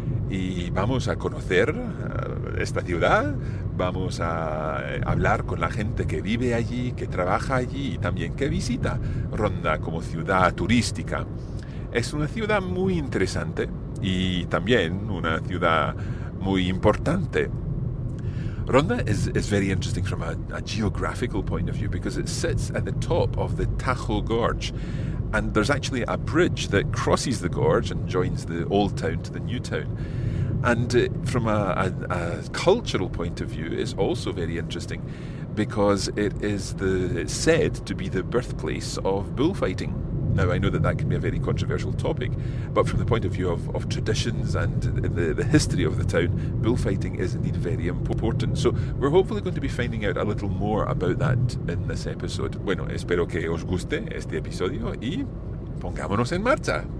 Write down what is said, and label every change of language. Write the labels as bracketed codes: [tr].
[es] Y vamos a conocer esta ciudad, vamos a hablar con la gente que vive allí, que trabaja allí y también que visita Ronda como ciudad turística. Es una ciudad muy interesante y también una ciudad muy importante. [en] Ronda is very interesting from a geographical point of view because it sits at the top of the Tajo Gorge. And there's actually a bridge that crosses the gorge and joins the old town to the new town. And from a cultural point of view, it's also very interesting because it's said to be the birthplace of bullfighting. Now, I know that that can be a very controversial topic, but from the point of view of traditions and the history of the town, bullfighting is indeed very important. So we're hopefully going to be finding out a little more about that in this episode. [es] Bueno, espero que os guste este episodio y pongámonos en marcha.